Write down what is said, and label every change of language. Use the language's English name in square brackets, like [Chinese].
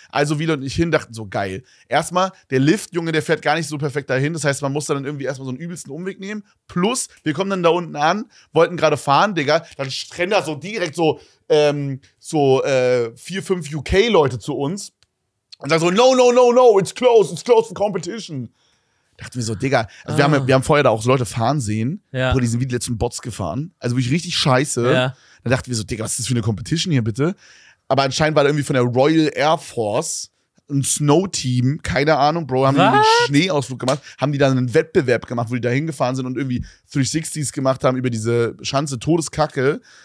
[German] Also Wiele und ich hin dachten so, geil. Erstmal, der Lift, Junge, der fährt gar nicht so perfekt dahin. Das heißt, man muss dann irgendwie erstmal so einen übelsten Umweg nehmen. Plus, wir kommen dann da unten an, wollten gerade fahren, Digga. Dann rennen da so direkt so, 4, 5 UK-Leute zu uns. Und sagen so, [English] no, it's closed for competition. [German] Dachten wir so, Digga, also ah. wir haben vorher da auch so Leute fahren sehen, ja. wo die sind wie die letzten Bots gefahren. Also wirklich richtig scheiße. Ja. Dann dachten wir so, Digga, was ist das für eine Competition hier bitte? Aber anscheinend war da irgendwie von der Royal Air Force ein Snow-Team, keine Ahnung, Bro, haben die einen Schneeausflug gemacht, haben die dann einen Wettbewerb gemacht, wo die da hingefahren sind und irgendwie 360s gemacht haben über diese Schanze Todeskacke.